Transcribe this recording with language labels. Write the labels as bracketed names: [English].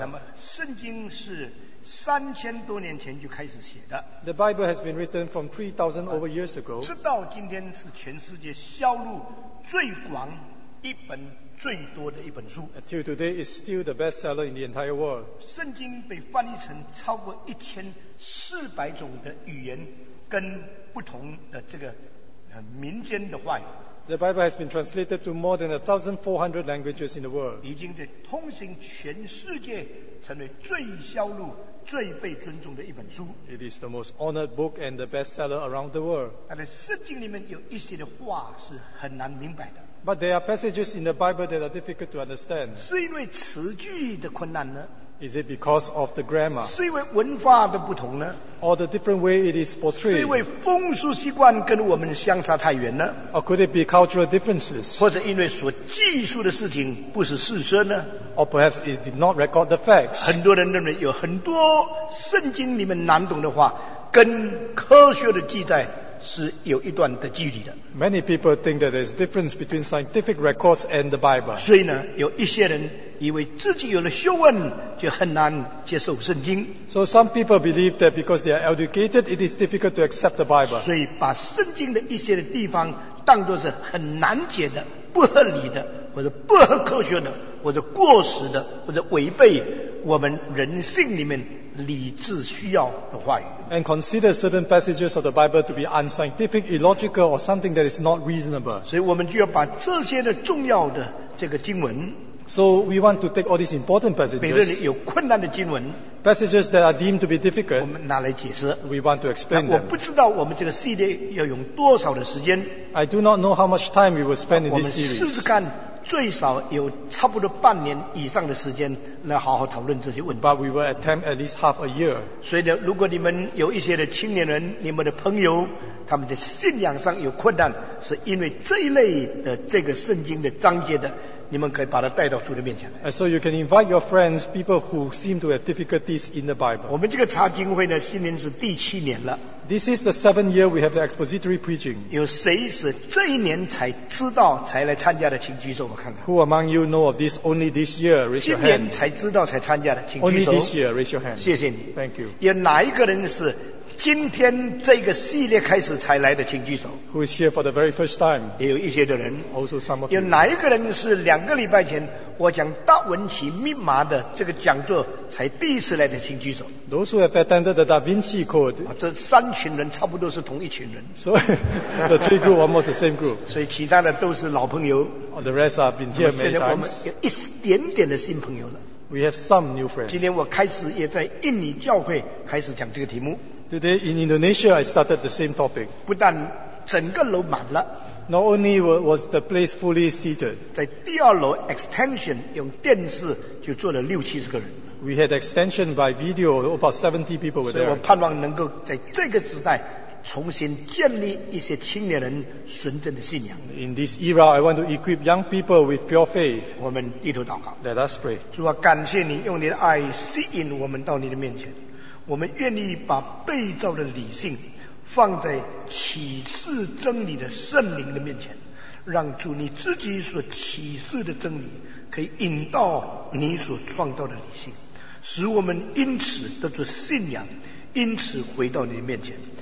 [Chinese] 那么圣经是3000多年前就开始写的。 [English] The Bible has been written from 3,000 over years ago. [Chinese] 直到今天是全世界销路最广一本最多的一本书。 [English] Until today, it's still the bestseller in the entire world. [Chinese] 圣经被翻译成超过1400种的语言跟不同的这个民间的话语。 [English] The Bible has been translated to more than 1,400 languages in the world. [Chinese] 已经在通行全世界成为最销路、最被尊重的一本书。 [English] It is the most honored book and the bestseller around the world. [Chinese] 但是圣经里面有一些的话是很难明白的。 [English] But there are passages in the Bible that are difficult to understand. [Chinese] 是因为词句的困难呢？ [English] Is it because of the grammar? [Chinese] 是因为文化的不同呢？ [English] Or the different way it is portrayed? [Chinese] 是因为风俗习惯跟我们相差太远呢？ [English] Or could it be cultural differences? [Chinese] 或者因为所记述的事情不是事实呢？ [English] Or perhaps it did not record the facts? [Chinese] 很多人认为有很多圣经里面难懂的话跟科学的记载是有一段的距离的。 [English] Many people think that there's a difference between scientific records and the Bible. [Chinese] 所以呢，有一些人以为自己有了学问就很难接受圣经。 [English] So some people believe that because they are educated, it is difficult to accept the Bible. [Chinese] 所以把圣经的一些的地方当作是很难解的、不合理的，或者不合科学的，或者过时的，或者违背我们人性里面理智需要的话语。 [English] And consider certain passages of the Bible to be unscientific, illogical, or something that is not reasonable. [Chinese] 所以我们就要把这些的重要的这个经文。 [English] So we want to take all these important passages. [Chinese] 每个人有困难的经文。 [English] Passages that are deemed to be difficult. [Chinese] 我们拿来解释。 [English] We want to explain them. [Chinese] 我不知道我们这个系列要用多少的时间。 [English] I do not know how much time we will spend in this series. [Chinese] 我们试试看。最少有差不多半年以上的时间来好好讨论这些问题。 [English] But we will attempt at least half a year. [Chinese] 所以呢，如果你们有一些的青年人，你们的朋友，他们的信仰上有困难，是因为这一类的这个圣经的章节的，你们可以把它带到主的面前来。 [English] So you can invite your friends, people who seem to have difficulties in the Bible. [Chinese] 我们这个查经会呢，今年是第7年了。 [English] This is the 7th year we have the expository preaching. [Chinese] 有谁是这一年才知道才来参加的，请举手我看看。 [English] Who among you know of this only this year? Raise your hand. [Chinese] 今年才知道才参加的，请举手。 [English] Only this year, raise your hand. [Chinese] 谢谢你。 [English] Thank you. [Chinese] 有哪一个人是今天这个系列开始才来的，请举手。 [English] Who is here for the very first time? [Chinese] 也有一些的人。 [English] Also some of you. [Chinese] 有哪一个人是2个礼拜前我讲达文奇密码的这个讲座才第一次来的，请举手。 [English] Those who have attended the Da Vinci Code. [Chinese] 这三群人差不多是同一群人。 [English] So the three group almost the same group. [Chinese] 所以其他的都是老朋友。 [English] The rest have been here many times. [Chinese] 现在我们有一点点的新朋友了。 [English] We have some new friends. [Chinese] 今天我开始也在印尼教会开始讲这个题目。 [English] Today in Indonesia, I started the same topic. [Chinese] 不但整个楼满了。 [English] Not only was the place fully seated. [Chinese] 在第二楼 extension 用电视就坐了60-70个人。 [English] We had extension by video, about 70 people were there. [Chinese] 所以我盼望能够在这个时代重新建立一些青年人纯正的信仰。 [English] In this era, I want to equip young people with pure faith. [Chinese] 我们低头祷告。 [English] Let us pray. [Chinese] 主啊，感谢你用你的爱吸引我们到你的面前。我们愿意把被造的理性放在启示真理的圣灵的面前，让主你自己所启示的真理可以引导你所创造的理性，使我们因此得着信仰，因此回到你的面前。